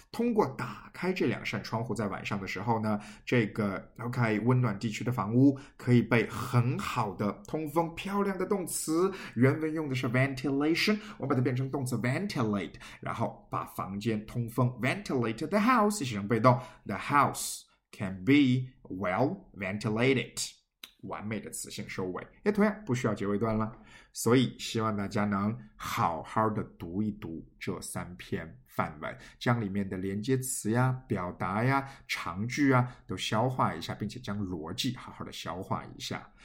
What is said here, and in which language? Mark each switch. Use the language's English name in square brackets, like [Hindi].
[Chinese] 通过打开这两扇窗户在晚上的时候呢，这个 OK 温暖地区的房屋可以被很好的通风。漂亮的动词，原文用的是 ventilation， 我把它变成动词 ventilate， 然后把房间通风 [English] ventilate the house， [Chinese] 形成被动。 [English] The house can be well ventilated. [Chinese] 完美的词性收尾，也同样不需要结尾段了。所以希望大家能好好的读一读这三篇范文，将里面的连接词呀、表达呀、长句啊都消化一下，并且将逻辑好好的消化一下。